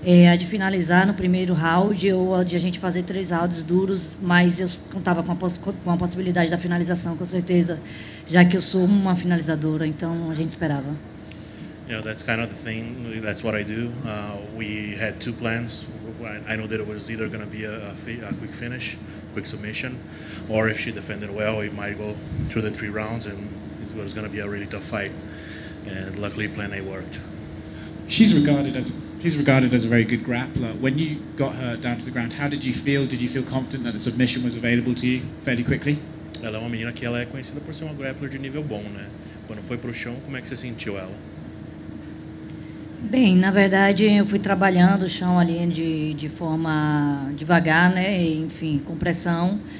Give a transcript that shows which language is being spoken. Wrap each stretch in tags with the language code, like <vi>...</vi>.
<pt>A de finalizar no primeiro round ou a de a gente fazer três rounds duros, mas eu contava com a possibilidade da finalização, com certeza, já que eu sou uma finalizadora, então a gente esperava.</pt> <en>Yeah, that's kind of the thing. That's what I do. We had two plans. I know that it was either going to be a quick finish, quick submission, or if she defended well, it might go through the three rounds and it was going to be a really tough fight. And luckily, plan A worked. She's regarded as a very good grappler. When you got her down to the ground, how did you feel? Did you feel confident that a submission was available to you fairly quickly?</en> <pt>Ela é uma menina que ela é conhecida por ser uma grappler de nível bom, né? Quando foi pro chão, como é que você sentiu ela? Bem, na verdade, eu fui trabalhando o chão ali de forma devagar, né? Enfim, com pressão.</pt>